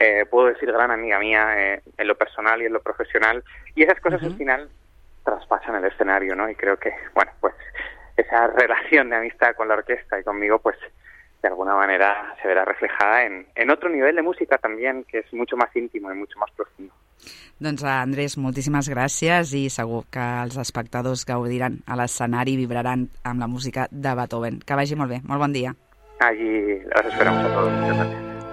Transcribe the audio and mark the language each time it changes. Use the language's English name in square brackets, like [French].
[Spanish] Puedo decir gran amiga mía en lo personal y en lo profesional, y esas cosas al final traspasan el escenario, ¿no? Y creo que, bueno, pues esa relación de amistad con la orquesta y conmigo, pues de alguna manera se verá reflejada en otro nivel de música también, que es mucho más íntimo y mucho más profundo. [Catalan] Doncs, Andrés, moltíssimes gràcies, i segur que els espectadors gaudiran a l'escenari i vibraran amb la música de Beethoven. Que vagi molt bé. Molt bon dia. [Spanish] Allí, los esperamos a todos. Gracias.